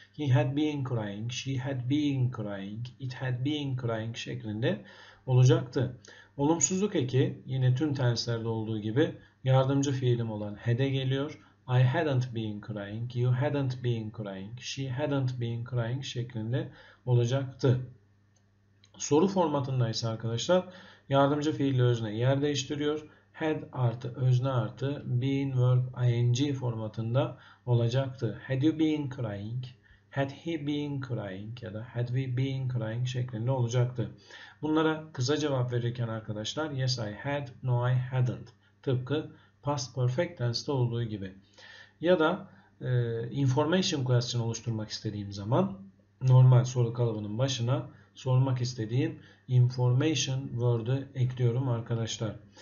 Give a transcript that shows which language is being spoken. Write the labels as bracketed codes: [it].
[en] He had been crying, she had been crying, it had been crying [tr] şeklinde olacaktı. Olumsuzluk eki yine tüm tenslerde olduğu gibi yardımcı fiilim olan had'e geliyor. [en] I hadn't been crying, you hadn't been crying, she hadn't been crying [tr] şeklinde olacaktı. Soru formatında ise arkadaşlar yardımcı fiille özne yer değiştiriyor. Had artı özne artı been verb ing formatında olacaktı. [en] Had you been crying, had he been crying [tr] ya da [en] had we been crying [tr] şeklinde olacaktı. Bunlara kısa cevap verirken arkadaşlar [en] yes I had, no I hadn't. [tr] Tıpkı past perfect tense'de olduğu gibi. Ya da information question oluşturmak istediğim zaman normal soru kalıbının başına sormak istediğim information word'u ekliyorum arkadaşlar.